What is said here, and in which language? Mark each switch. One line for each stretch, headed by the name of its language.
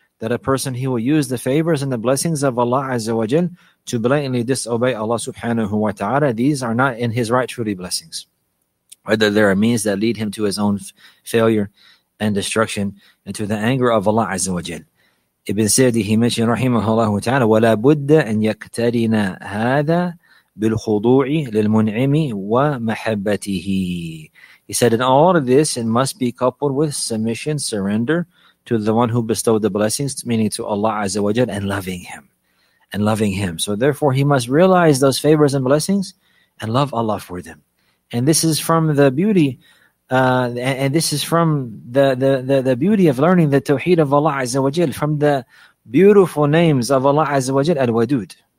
English: That a person, he will use the favors and the blessings of Allah Azza wa Jalla to blatantly disobey Allah subhanahu wa ta'ala. These are not in his right truly blessings. Whether there are means that lead him to his own failure and destruction and to the anger of Allah Azza wa Jal. Ibn Sa'di, he mentioned,
Arabic: rahimahullah ta'ala, وَلَا بُدَّ أَنْ يَكْتَرِنَا هَذَا بِالْخُضُوعِ لِلْمُنْعِمِ وَمَحَبَّتِهِ.
English: He said, in all of this, it must be coupled with submission, surrender to the one who bestowed the blessings, meaning to Allah Azza wa Jal, and loving him. And loving him. So therefore, he must realize those favors and blessings and love Allah for them. And this is from the beauty, and this is from the beauty of learning the Tawheed of Allah Azza wa Jal, from the beautiful names of Allah Azza wa Jal, Al-Wadud.